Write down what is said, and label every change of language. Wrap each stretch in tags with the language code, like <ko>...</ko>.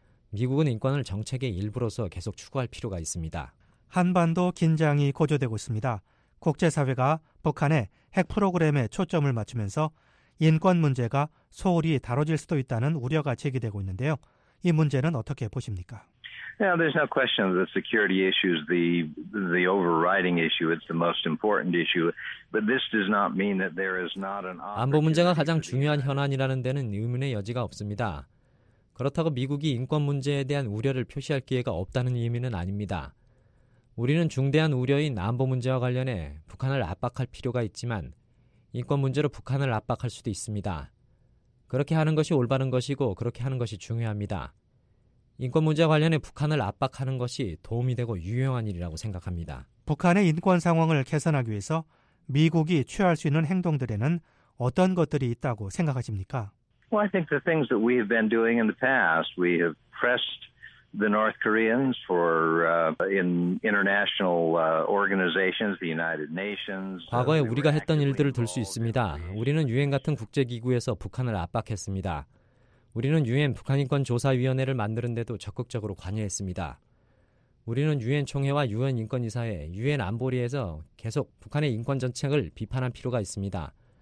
<ko>미국은 인권을 정책의 일부로서 계속 추구할 필요가 있습니다. 한반도 긴장이 고조되고 있습니다. 국제사회가 북한의 핵 프로그램에 초점을 맞추면서 인권 문제가 소홀히 다뤄질 수도 있다는 우려가 제기되고 있는데요. 이 문제는 어떻게 보십니까?</ko> <en>Yeah, there's no question the security issue is the overriding issue. It's the most important issue. But this does not mean that there is not an</en> <ko>안보 문제가 가장 중요한 현안이라는 데는 의문의 여지가 없습니다. 그렇다고 미국이 인권 문제에 대한 우려를 표시할 기회가 없다는 의미는 아닙니다. 우리는 중대한 우려인 안보 문제와 관련해 북한을 압박할 필요가 있지만 인권 문제로 북한을 압박할 수도 있습니다. 그렇게 하는 것이 올바른 것이고 그렇게 하는 것이 중요합니다. 인권 문제와 관련해 북한을 압박하는 것이 도움이 되고 유용한 일이라고 생각합니다. 북한의 인권 상황을 개선하기 위해서 미국이 취할 수 있는 행동들에는 어떤 것들이 있다고 생각하십니까?</ko> <en>Well, I think the things that we have been doing in the past, we have pressed the North Koreans for in international organizations, the United Nations.</en> <ko>과거에 우리가 했던 일들을 들 수 있습니다. 우리는 유엔 같은 국제 기구에서 북한을 압박했습니다. 우리는 유엔 북한인권조사위원회를 만드는데도 적극적으로 관여했습니다. 우리는 유엔 총회와 유엔 인권이사회, 유엔 안보리에서 계속 북한의 인권 정책을 비판할 필요가 있습니다.</ko>